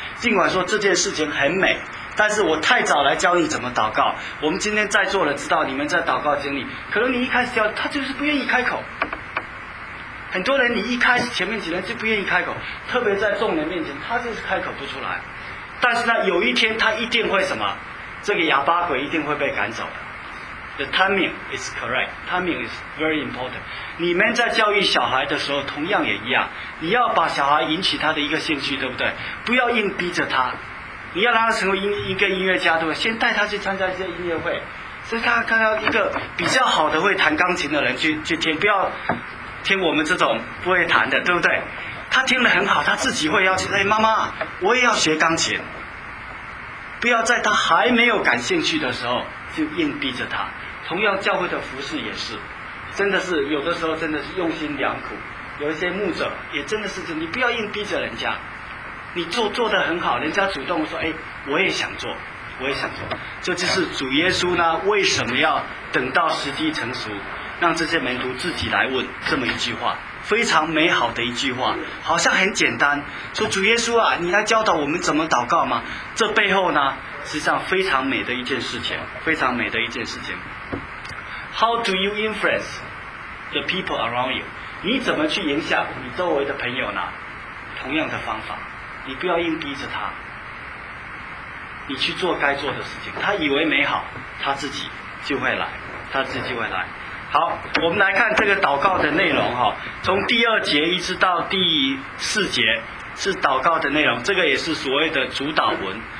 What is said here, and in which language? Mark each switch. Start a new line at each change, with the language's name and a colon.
Chinese: 尽管说这件事情很美，但是我太早来教你怎么祷告。我们今天在座的知道，你们在祷告经历，可能你一开始教他就是不愿意开口，很多人你一开始前面几天就不愿意开口，特别在众人面前他就是开口不出来，但是呢有一天他一定会什么，这个哑巴鬼一定会被赶走的。
English: The timing is correct, timing is very important。
Chinese: 你们在教育小孩的时候同样也一样，你要把小孩引起他的一个兴趣，对不对？不要硬逼着他，你要让他成为一个音乐家，对不对？先带他去参加一些音乐会，所以他看到一个比较好的会弹钢琴的人去听，不要听我们这种不会弹的，对不对？他听得很好，他自己会要求，哎，妈妈我也要学钢琴。不要在他还没有感兴趣的时候就硬逼着他。同样教会的服事也是，真的是有的时候真的是用心良苦，有一些牧者也真的是，你不要硬逼着人家，你做得很好，人家主动说，哎，我也想做，我也想做。这就是主耶稣呢为什么要等到时机成熟，让这些门徒自己来问这么一句话，非常美好的一句话，好像很简单，说主耶稣啊，你来教导我们怎么祷告吗？这背后呢实际上非常美的一件事情，非常美的一件事情。
English: How do you influence the people around you?
Chinese: 你怎么去影响你周围的朋友呢？同样的方法，你不要硬逼着他，你去做该做的事情，他以为美好他自己就会来，他自己就会来。好，我们来看这个祷告的内容，从第二节一直到第四节是祷告的内容，这个也是所谓的主导文。